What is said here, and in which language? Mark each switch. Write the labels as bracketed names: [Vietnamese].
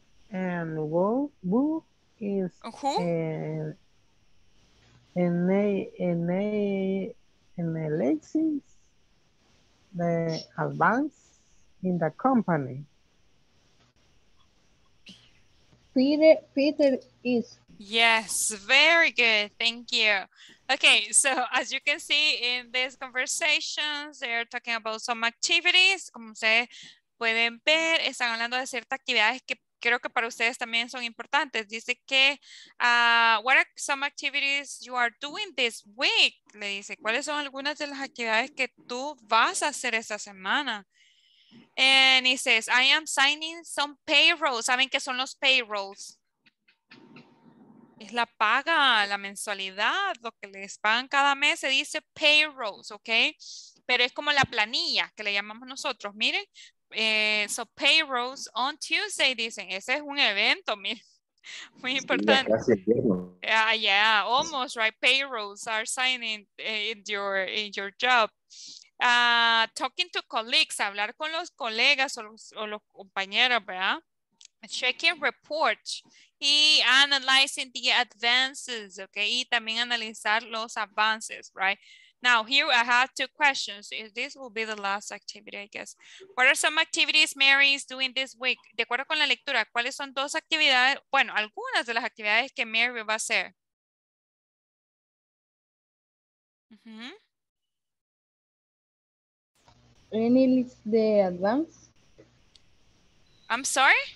[English] And who is analyzing the advance in the company? Peter is. Yes, very good. Thank you. Okay, so as you can see in these conversations, they are talking about some activities. [Spanish] Como ustedes pueden ver, están hablando de ciertas actividades que creo que para ustedes también son importantes. Dice que, [English] what are some activities you are doing this week? [Spanish] Le dice, ¿cuáles son algunas de las actividades que tú vas a hacer esta semana? [English] And he says, I am signing some payrolls. [Spanish] ¿Saben qué son los payrolls? Es la paga, la mensualidad, lo que les pagan cada mes, se dice payrolls, ¿ok? Pero es como la planilla que le llamamos nosotros, miren. [English] So payrolls on Tuesday, [Spanish] dicen. Ese es un evento, miren. Muy importante. [English] Yeah, almost, right? Payrolls are signing in your job. Talking to colleagues, [Spanish] hablar con los colegas o los compañeros, ¿verdad? [English] Checking reports y analyzing the advances, okay? [Spanish] Y también analizar los avances, [English] right? Now, here I have two questions. This will be the last activity, I guess. What are some activities Mary is doing this week? [Spanish] De acuerdo con la lectura, ¿cuáles son dos actividades? Bueno, algunas de las actividades que Mary va a hacer. Mm-hmm. [English] Any list the advance? I'm sorry?